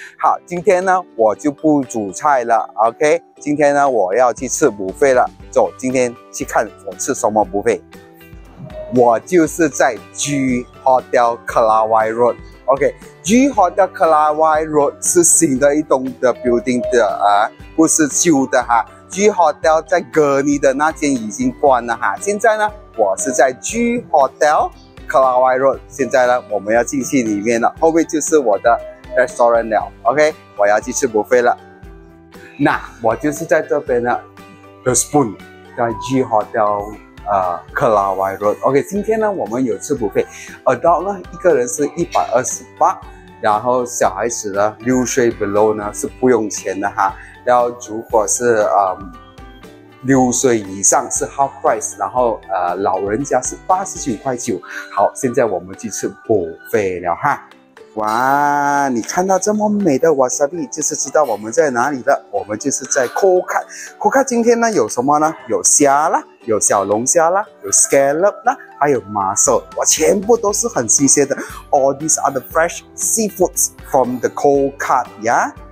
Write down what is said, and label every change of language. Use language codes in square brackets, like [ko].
[zh] 好，今天呢我就不煮菜了 ，OK？今天呢我要去吃午饭了，走，今天去看我吃什么午饭。我就是在 G Hotel Kelawai Road，OK？ G Hotel Kelawai Road 是新的一栋的 building 的啊，不是旧的哈。 G Hotel 在 gurney 的那间已经关了哈，现在呢？我是在 G Hotel Kelawai Road， 现在呢我们要进去里面了，后面就是我的 restaurant 了， OK， 我要去吃 buffet 了。那我就是在这边呢 The Spoon 在 G Hotel Kelawai Road， OK， 今天呢我们有吃 buffet， adult 呢一个人是128，然后小孩子呢六岁 below 呢是不用钱的哈，然后如果是六岁以上是 half price，然后老人家是89.9。好，现在我们去吃 buffet 了哈。哇，你看到这么美的 wasabi， 就是知道我们在哪里了。我们就是在 Koka。今天呢有什么呢？有虾啦，有小龙虾啦，有 scallop 啦，还有 mussel。哇，全部都是很新鲜的。 [en] All these are the fresh seafoods from the Koka， yeah。